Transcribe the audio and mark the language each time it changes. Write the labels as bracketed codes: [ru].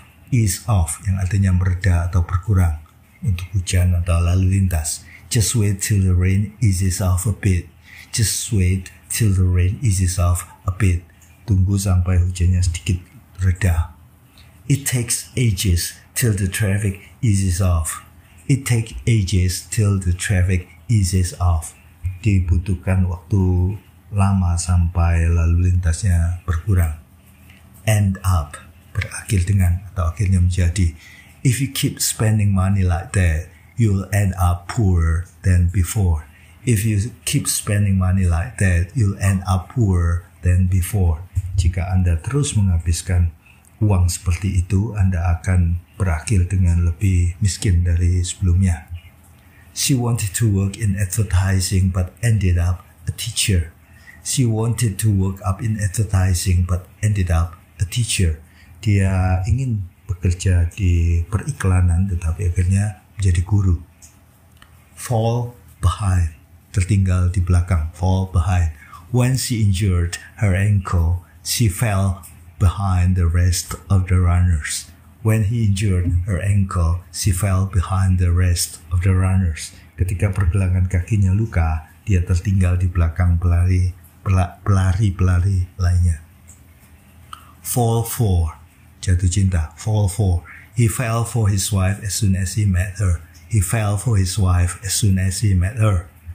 [id] Ease off, yang artinya mereda atau berkurang untuk hujan atau lalu lintas. [en] Just wait till the rain eases off a bit. Just wait till the rain eases off a bit. [id] Tunggu sampai hujannya sedikit reda. [en] It takes ages till the traffic eases off. It takes ages till the traffic eases off. [id] Dibutuhkan waktu lama sampai lalu lintasnya berkurang. End up, berakhir dengan atau akhirnya menjadi. [en] If you keep spending money like that, you'll end up poorer than before. If you keep spending money like that, you'll end up poorer than before. [id] Jika Anda terus menghabiskan uang seperti itu, Anda akan berakhir dengan lebih miskin dari sebelumnya. [en] She wanted to work in advertising but ended up a teacher. She wanted to work up in advertising but ended up a teacher. [id] Dia ingin bekerja di periklanan tetapi akhirnya menjadi guru. [en] Fall behind, [id] tertinggal di belakang. [en] Fall behind. When she injured her ankle, she fell behind the rest of the runners. When he injured her ankle, she fell behind the rest of the runners. [id] Ketika pergelangan kakinya luka, dia tertinggal di belakang pelari-pelari lainnya. [en] Fall for, [id] jatuh cinta. [en] Fall for. He fell for his wife as soon as he met her. He fell for his wife as soon as he met her.